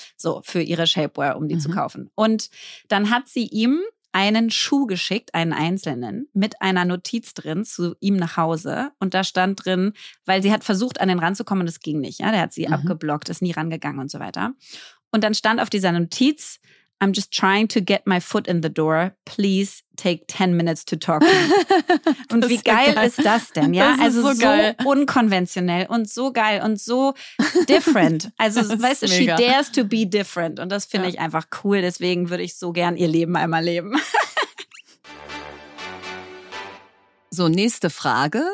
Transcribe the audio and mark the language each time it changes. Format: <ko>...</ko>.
<de>So, für ihre Shapewear, um die zu kaufen. Und dann hat sie ihm einen Schuh geschickt, einen einzelnen, mit einer Notiz drin zu ihm nach Hause. Und da stand drin, weil sie hat versucht, an den ranzukommen und es ging nicht. Ja, der hat sie abgeblockt, ist nie rangegangen und so weiter. Und dann stand auf dieser Notiz,</de> <en>I'm just trying to get my foot in the door. Please take 10 minutes to talk to me.</en> <de>Und wie geil ist das denn? Ja, das ist also so geil. Unkonventionell und so geil und so different. Also weißt du,</de> <en>she dares to be different.</en> <de>Und das finde ich einfach cool. Deswegen würde ich so gern ihr Leben einmal leben. So, nächste Frage.</de>